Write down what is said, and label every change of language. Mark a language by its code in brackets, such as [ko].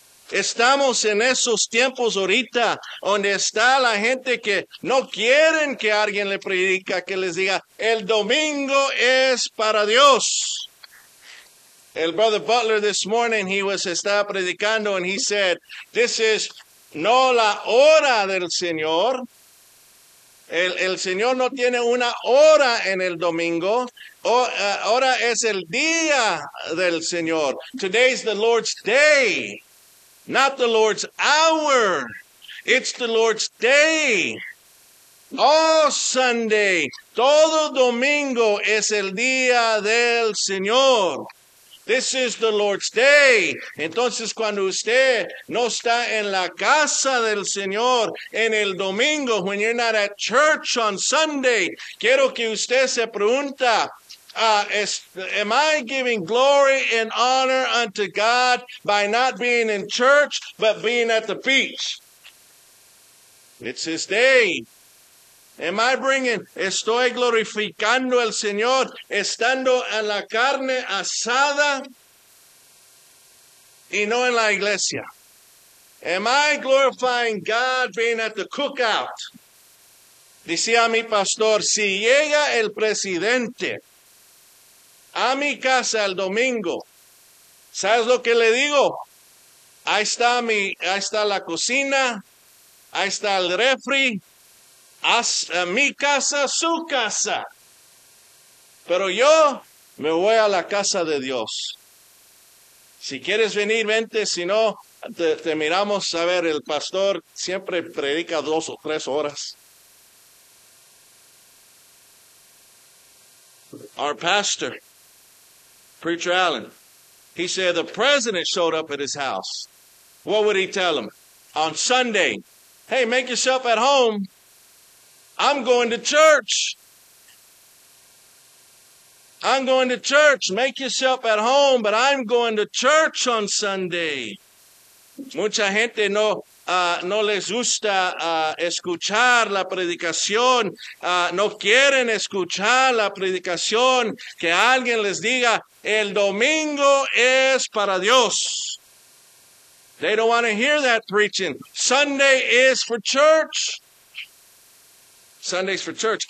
[es] Estamos en esos tiempos ahorita donde está la gente que no quieren que alguien le predica, que les diga, el domingo es para Dios. El [en] brother Butler this morning, [es] estaba predicando [en] and he said, this is [es] no la hora del Señor. El Señor no tiene una hora en el domingo. Ahora es el día del Señor. [en] Today is the Lord's day, not the Lord's hour. It's the Lord's day. All Sunday, [es] todo domingo es el día del Señor. [en] This is the Lord's day. [es] Entonces, cuando usted no está en la casa del Señor en el domingo, [en] when you're not at church on Sunday, [es] quiero que usted se pregunta, [en] am I giving glory and honor unto God by not being in church, but being at the beach? It's his day. Am I bringing, [es] estoy glorificando al Señor, estando en la carne asada y no en la iglesia? [en] Am I glorifying God being at the cookout? [es] Decía mi pastor, si llega el presidente a mi casa el domingo, ¿sabes lo que le digo? Ahí está la cocina, ahí está el refri. Hasta mi casa, su casa. Pero yo me voy a la casa de Dios. Si quieres venir, vente. Si no, te miramos. A ver, el pastor siempre predica 2 o 3 horas. [en] Our pastor, Preacher Allen, he said the president showed up at his house. What would he tell him? On Sunday, hey, make yourself at home. I'm going to church. I'm going to church. Make yourself at home, but I'm going to church on Sunday. [es] Mucha gente no les gusta escuchar la predicación. No quieren escuchar la predicación. Que alguien les diga, el domingo es para Dios. [en] They don't want to hear that preaching. Sunday is for church. Sundays for church.